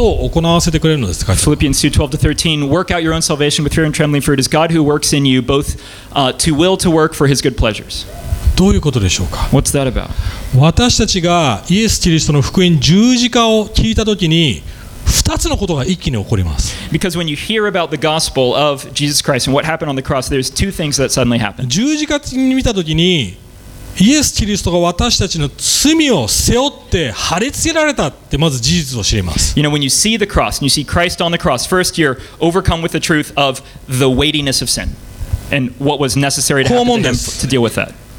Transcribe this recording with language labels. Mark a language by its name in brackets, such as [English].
[English] Philippians 2:12-13, work out your own salvation with fear and trembling, for it is God who works in you both to will to work for his good pleasures. [Japanese] どういうことでしょうか? [English] What's that about? [Japanese] 私たちがイエス・キリストの福音十字架を聞いたときに 2つのことが一気に起こります。 [English] Because when you hear about the gospel of Jesus Christ and what happened on the cross, there's two things that suddenly happen. [Japanese] 十字架に見たときに イエス・キリストが私たちの罪を背負って貼り付けられたってまず事実を知ります。 [English] You know, when you see the cross, and you see Christ on the cross, first you're overcome with the truth of the weightiness of sin and what was necessary to happen to him to deal with that.